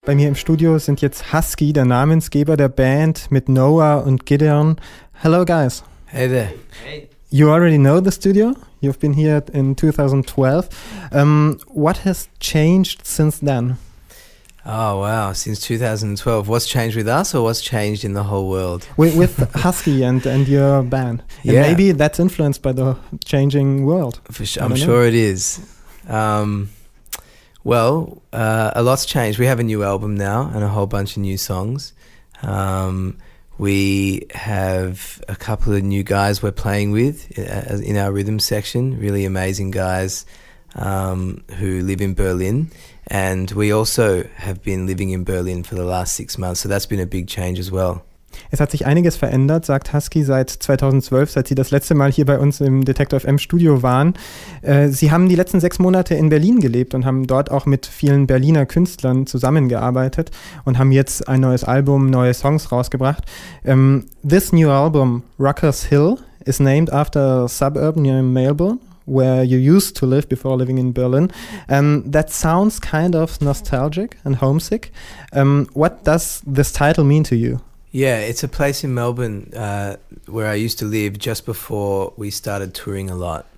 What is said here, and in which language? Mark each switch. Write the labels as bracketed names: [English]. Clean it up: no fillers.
[German] Bei mir im Studio sind jetzt Husky, der Namensgeber der Band, mit Noah und Gideon. [English] Hello, guys. Hey there. Hey. You already know the studio. You've been here in 2012. What has changed since then? Oh, wow. Since 2012. What's changed with us, or what's changed in the whole world? With Husky and your band. And yeah. Maybe that's influenced by the changing world. I'm sure it is. A lot's changed. We have a new album now and a whole bunch of new songs. We have a couple of new guys we're playing with in our rhythm section, really amazing guys who live in Berlin. And we also have been living in Berlin for the last 6 months, so that's been a big change as well. [German] Es hat sich einiges verändert, sagt Husky, seit 2012, seit Sie das letzte Mal hier bei uns im Detektor FM Studio waren. Sie haben die letzten 6 Monate in Berlin gelebt und haben dort auch mit vielen Berliner Künstlern zusammengearbeitet und haben jetzt ein neues Album, neue Songs rausgebracht. [English] This new album, Rucker's Hill, is named after a suburb near Melbourne, where you used to live before living in Berlin. That sounds kind of nostalgic and homesick. What does this title mean to you? Yeah, it's a place in Melbourne where I used to live just before we started touring a lot.